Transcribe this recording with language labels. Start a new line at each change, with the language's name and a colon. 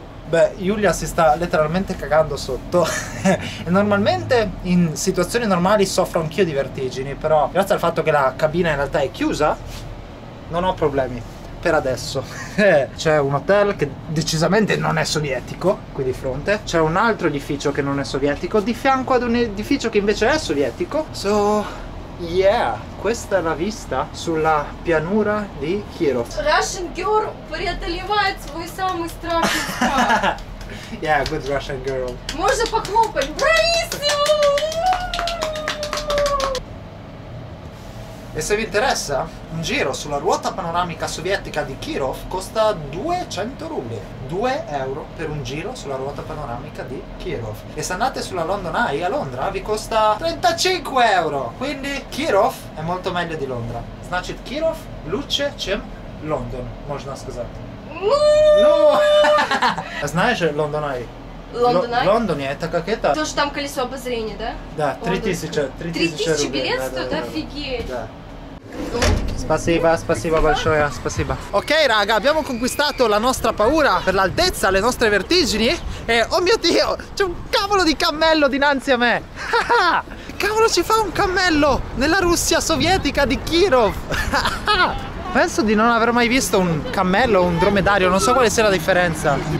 Italian: Beh, Julia si sta letteralmente cagando sotto. Normalmente in situazioni normali soffro anch'io di vertigini, però grazie al fatto che la cabina in realtà è chiusa, non ho problemi. Per adesso. C'è un hotel che decisamente non è sovietico qui di fronte. C'è un altro edificio che non è sovietico di fianco ad un edificio che invece è sovietico.
English: So, yeah,
Italian: questa è la vista sulla pianura di Kirov.
English: Russian girl
Russian: преодолевает свой самый страшный страх.
English: Yeah, good Russian girl.
Russian: Можно похлопать.
Italian: Bravissimo! E se vi interessa, un giro sulla ruota panoramica sovietica di Kirov costa 200 rubli. 2 euro per un giro sulla ruota panoramica di Kirov. E se andate sulla London Eye a Londra vi costa 35 euro. Quindi Kirov è molto meglio di Londra.
Russian: Значит, Kirov лучше, чем London, можно сказать. No! Знаешь, London Eye? Лондон, Лондон, это как это? То, что там колесо обозрения, да? Да, 3000, 3000 рублей. 3000 билет стоит? Да, да, офигеть! Да. Спасибо, спасибо большое, спасибо.
Italian: Ok, raga, abbiamo conquistato la nostra paura per l'altezza, le nostre vertigini. E oh mio Dio, c'è un cavolo di cammello dinanzi a me. Cavolo, ci fa un cammello nella Russia sovietica di Kirov. Penso di non aver mai visto un cammello o un dromedario, non so quale sia la differenza.